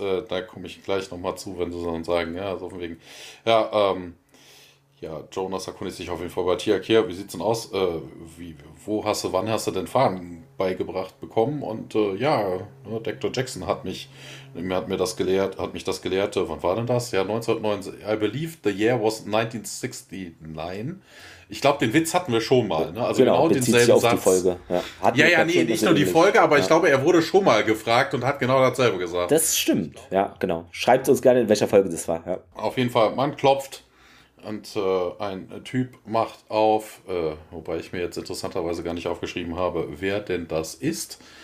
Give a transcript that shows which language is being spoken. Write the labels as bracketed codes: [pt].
[de] Da komme ich gleich nochmal zu, wenn sie dann sagen, ja, so von wegen. Ja, Jonas erkundigt sich auf jeden Fall bei Tiak hier. Wie sieht's denn aus? Wann hast du denn Fahren beigebracht bekommen? Und Dr. Jackson hat mich das gelehrt. Wann war denn das? Ja, 1990. [en] I believe the year was 1969. [de] Ich glaube, den Witz hatten wir schon mal, ne? Also genau denselben sich auf Satz. Die Folge. Nicht nur die Folge, aber ich glaube, er wurde schon mal gefragt und hat genau dasselbe gesagt. Das stimmt, ja, genau. Schreibt uns gerne, in welcher Folge das war. Ja. Auf jeden Fall, man klopft, und ein Typ macht auf, wobei ich mir jetzt interessanterweise gar nicht aufgeschrieben habe, wer denn das ist.